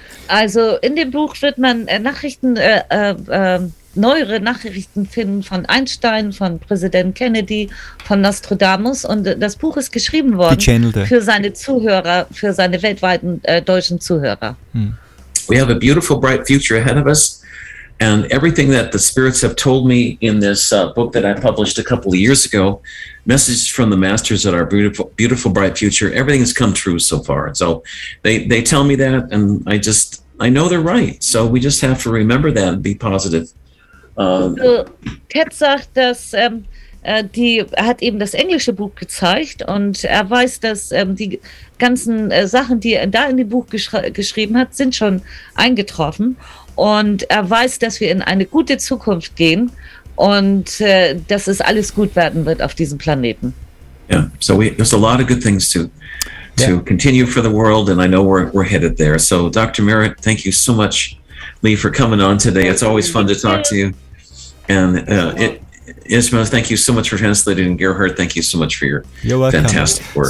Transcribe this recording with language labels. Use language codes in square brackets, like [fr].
[de] Also in dem Buch wird man Nachrichten, neuere Nachrichten finden von Einstein, von Präsident Kennedy, von Nostradamus. Und das Buch ist geschrieben worden für seine Zuhörer, für seine weltweiten deutschen Zuhörer. Hm. [en] We have a beautiful, bright future ahead of us. And everything that the spirits have told me in this book that I published a couple of years ago, messages from the masters at our beautiful, beautiful, bright future, everything has come true so far. So they tell me that, and I know they're right. So we just have to remember that and be positive. [de] Ted sagt, dass hat eben das englische Buch gezeigt und er weiß, dass die ganzen Sachen, die er da in dem Buch geschrieben hat, sind schon eingetroffen und er weiß, dass wir in eine gute Zukunft gehen und dass es alles gut werden wird auf diesem Planeten. [en] Yeah, so there's a lot of good things to continue for the world and I know we're headed there. So Dr. Merritt, thank you so much, Lee, for coming on today. It's always fun to talk to you. And Ismail, thank you so much for translating. Gerhard, thank you so much for your fantastic work.